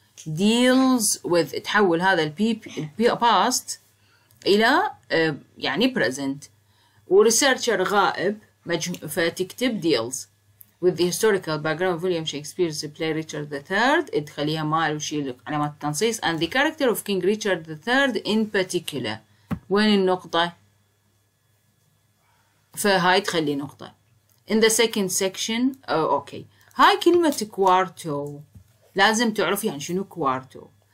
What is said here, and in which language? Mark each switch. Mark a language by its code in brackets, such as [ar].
[en] deals with [ar] تحول هذا ال past إلى يعني present. [en] وresearcher [ar] غائب فتكتب [en] deals with the historical background of William Shakespeare's play Richard III. [ar] تخليها مال وشيل علامات التنصيص. [en] and the character of King Richard III in particular. [ar] وين النقطة؟ فهاي تخلي نقطة. [en] In the second section okay. [ar] هاي كلمة كوارتو لازم تعرف يعني شنو كوارتو.